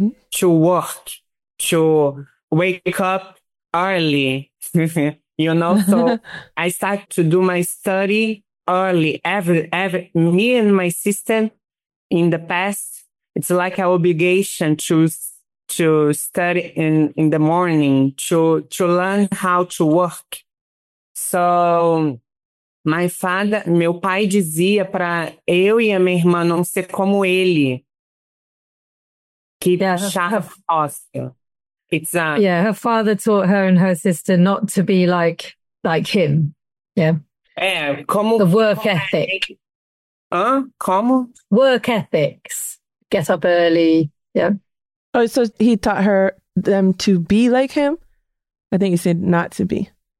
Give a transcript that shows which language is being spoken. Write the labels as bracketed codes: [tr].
[en] to work, to wake up early, you know, so I start to do my study early, ever, me and my sister in the past, it's like an obligation to study in the morning, to learn how to work. So my father, [pt] meu pai dizia para eu e a minha irmã não ser como ele. Que chato. [en] It's a yeah. Her father taught her and her sister not to be like him. Yeah. [pt] É, como [en] the work ethic. [pt] Huh? Como [en] work ethics? Get up early. Yeah. Oh, so he taught her them to be like him. I think you said not to be.